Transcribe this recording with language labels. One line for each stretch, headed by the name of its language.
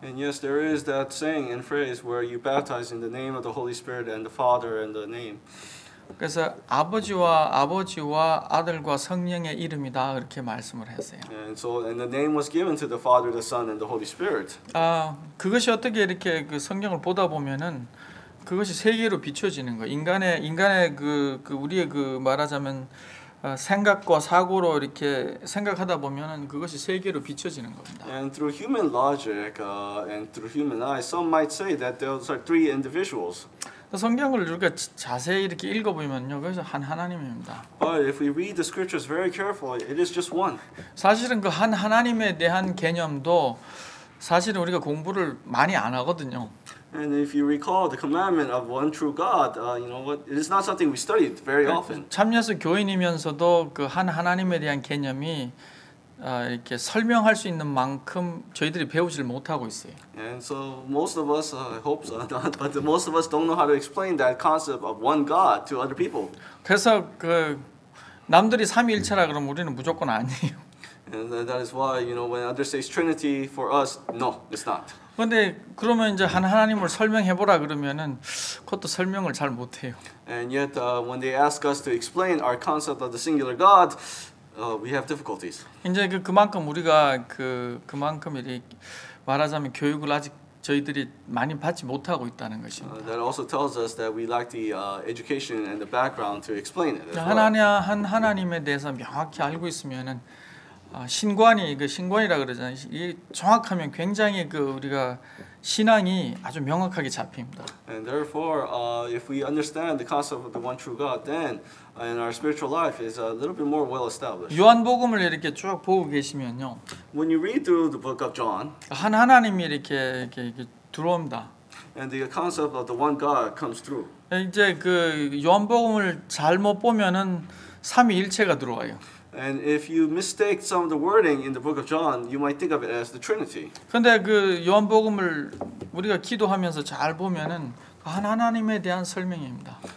English: And yes, there is that saying and phrase where you baptize in the name of the Holy Spirit and the Father and the name.
Korean: 그래서 아버지와 아들과 성령의 이름이다 이렇게 말씀을 했어요.
English: And so and the name was given to the Father, the Son, and the Holy Spirit.
Korean: 그것이 어떻게 이렇게 그 성경을 보다 보면은 그것이 세계로 비춰지는 거. 인간의 그 우리의 그 말하자면 생각과 사고로 이렇게 생각하다 보면은 그것이 세계로 비춰지는 겁니다.
English: And through human logic, and through human eyes, some might say that those are three individuals.
Korean: 성경을 이렇게 자세히 이렇게 읽어보면요, 그래서 한 하나님입니다.
English: But if we read the scriptures very carefully, it is just one.
Korean: 사실은 그 한 하나님에 대한 개념도 사실은 우리가 공부를 많이 안 하거든요.
English: And if you recall the commandment of one true God, you know what? It is not something we studied very often.
Korean: 참여수 교인이면서도 그 한 하나님에 대한 개념이 이렇게 설명할 수 있는 만큼 저희들이 배우질 못하고 있어요.
English: And so most of us, I hope so, but most of us don't know how to explain that concept of one God to other people.
Korean: 그래서 그 남들이 삼위일체라 그러면 우리는 무조건 아니에요.
English: And that is why, you know, when others say Trinity for us, no, it's not.
Korean: 근데 그러면 이제 한 하나님을 설명해 보라 그러면은 그것도 설명을 잘 못 해요.
English: And yet when they ask us to explain our concept of the singular God, we have difficulties.
Korean: 이제 그만큼 우리가 그만큼 이렇게 말하자면 교육을 아직 저희들이 많이 받지 못하고 있다는 것입니다.
English: That also tells us that we lack the education and the background to explain it.
Korean: 하나님에 대해서 명확히 알고 있으면은 신관이 그 신관이라 그러잖아요. 이 정확하면 굉장히 그 우리가 신앙이 아주 명확하게 잡힙니다.
English: And therefore, if we understand the concept of the one true God, then in our spiritual life is a little bit more well established.
Korean: 요한복음을 이렇게 쭉 보고 계시면요.
English: When you read through the book of John,
Korean: 하나님이 이렇게 들어옵니다.
English: And the concept of the one God comes through.
Korean: 이제 그 요한복음을 잘못 보면은 삼위일체가 들어와요.
English: And if you mistake some of the wording in the book of John, you might think of it as the Trinity.
Korean: 근데 그 요한복음을 우리가 기도하면서 잘 보면은 하나님에 대한 설명입니다.